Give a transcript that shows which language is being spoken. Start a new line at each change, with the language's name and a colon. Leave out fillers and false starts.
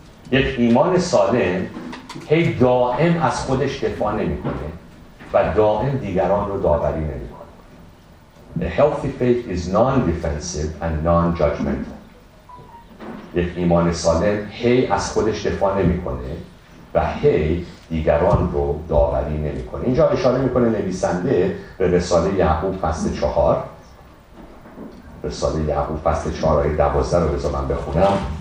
Persian: یک ایمان سالم هی دائم از خودش دفاع نمی‌کنه و دائم دیگران رو داوری نمی‌کنه.
English: A healthy faith is non-defensive and non-judgmental.
Persian: یک ایمان سالم هی از خودش دفاع نمی‌کنه و هی دیگران رو داوری نمی‌کنه. اینجا اشاره می‌کنه نویسنده به رساله یعقوب فصل 4. رساله یعقوب فصل 4 آیه 12 رو بذار من بخونم.